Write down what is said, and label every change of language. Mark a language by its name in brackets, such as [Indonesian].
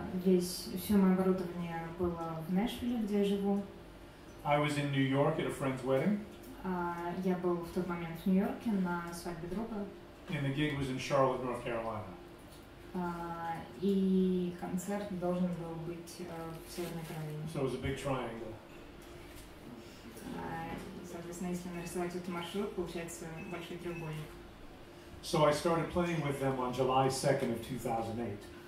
[Russian] Все мое оборудование было в Нэшвилле, где я живу. [English] I was in New York at a friend's wedding. [Russian] Я был в тот момент в Нью-Йорке на свадьбе друга. [English] And the gig was in Charlotte, North Carolina. [Russian] И концерт должен был быть в Северной Каролине. [English] So it was a big triangle. [Russian] Соответственно, если нарисовать этот маршрут, получается большой треугольник. [English] So I started playing with them on July 2nd of 2008.